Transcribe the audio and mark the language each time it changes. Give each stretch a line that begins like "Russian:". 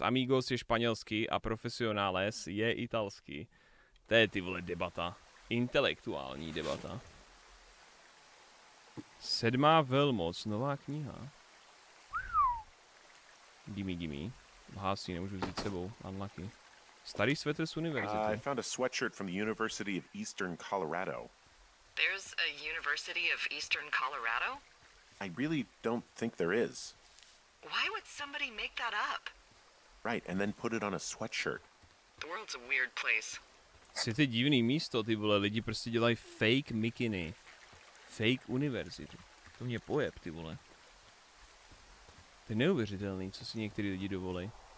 Czech: Amigos je španělský a profesionales je italský. To je ty vole debata. Intelektuální debata. Sedmá velmoc. Nová kniha.
English: Gimme, gimme.
Czech: Hásí, nemůžu vzít sebou.
English: Unlucky.
Czech: Starý svetr z univerzity.
English: I found a sweatshirt from the University of Eastern Colorado. There's a University of Eastern Colorado? I really don't think there is. Why would somebody make that up? Right, and then put it on a sweatshirt. The world's a weird place.
Czech: Světě divný místo, ty vole, lidi prostě dělají fake mikiny. Fake univerzity. To mě pojeb, ty vole. To je neuvěřitelný, co si některý lidi dovolí.